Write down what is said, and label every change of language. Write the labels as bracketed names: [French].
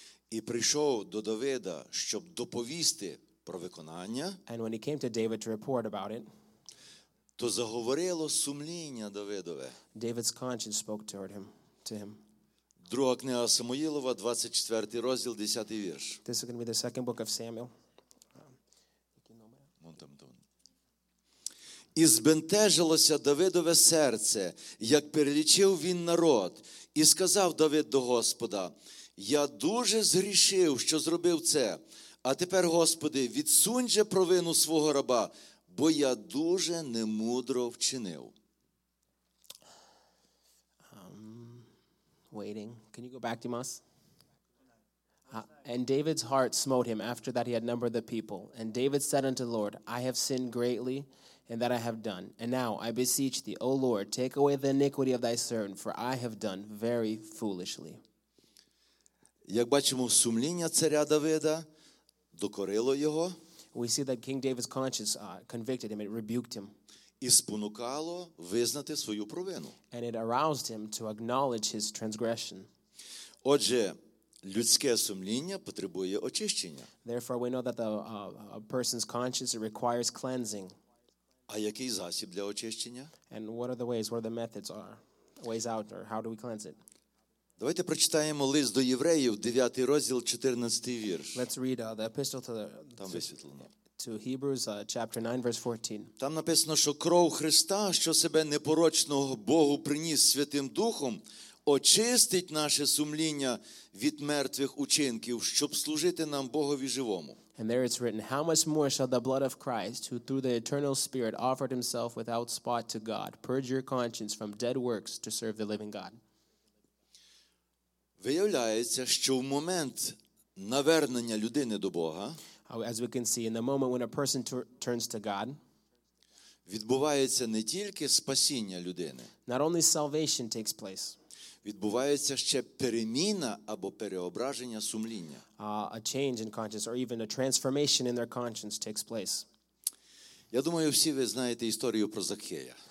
[Ukrainian] І прийшов до Давида, щоб доповісти про виконання. [English] And when he came to David to report about it, [Ukrainian] то заговорило сумління Давидове. [English] David's conscience spoke toward him, to him. [Ukrainian] Друга книга Самуїлова, 24 розділ, 10 вірш. [English] This is going to be the second book of Samuel. [Ukrainian] І збентежилося Давидове серце, як перелічив він народ. І сказав Давид до Господа, «Я дуже згрішив, що зробив це. А тепер, Господи, відсунь же провину свого раба, бо я дуже немудро вчинив». [English] Waiting. Can you go back, Dimas? And David's heart smote him after that he had numbered the people. And David said unto the Lord, I have sinned greatly in that I have done. And now I beseech thee, O Lord, take away the iniquity of thy servant, for I have done very foolishly. [Ukrainian] Як бачимо, сумління царя Давида докорило його. [English] We see that King David's conscience convicted him, it rebuked him. [Ukrainian] І спонукало визнати свою провину. [English] And it aroused him to acknowledge his transgression. [Ukrainian] Отже, людське сумління потребує очищення. [English] Therefore, we know that a person's conscience requires cleansing. [Ukrainian] А який засіб для очищення? [English] And what are the ways, what are the methods, are ways out, or how do we cleanse it? [Ukrainian] Давайте прочитаємо лист до євреїв, 9 розділ, 14 вірш. [English] Let's read the epistle to the... [Ukrainian] Там висвітлено. [English] To Hebrews chapter 9 verse 14. [Ukrainian] Там написано, що кров Христа, що себе непорочного Богу приніс Святим Духом, очистить наше сумління від мертвих учинків, щоб служити нам Богові живому. [English] And there it's written, how much more shall the blood of Christ, who through the eternal Spirit offered himself without spot to God, purge your conscience from dead works to serve the living God. [Ukrainian] Виявляється, що в момент навернення людини до Бога, [English] as we can see, in the moment when a person turns to God, [Ukrainian] відбувається не тільки спасіння людини, [English] not only salvation takes place, [Ukrainian] відбувається ще переміна або переображення сумління. [English] A change in conscience or even a transformation in their conscience takes place. [Ukrainian] Я думаю, всі ви знаєте історію про Закхея.